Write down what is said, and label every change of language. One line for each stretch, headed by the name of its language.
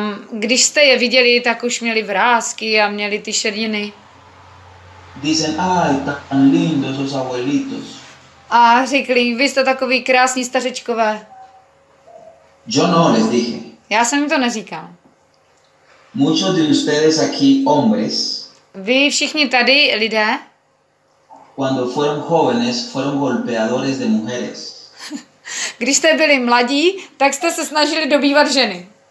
Czech: když jste je viděli, tak už měli vrásky a měli ty šerniny.
Spanish: Dicen, ay, tan lindo esos abuelitos.
Czech: A řekli, vy jste takový krásní stařečkové.
Spanish: Yo no les dije.
Czech: Já jsem jim to neříkal.
Spanish: Muchos de ustedes aquí hombres.
Czech: Vy všichni tady lidé.
Spanish: Cuando fueron jóvenes, fueron golpeadores de mujeres.
Czech: Když jste byli mladí, tak jste se snažili dobývat ženy.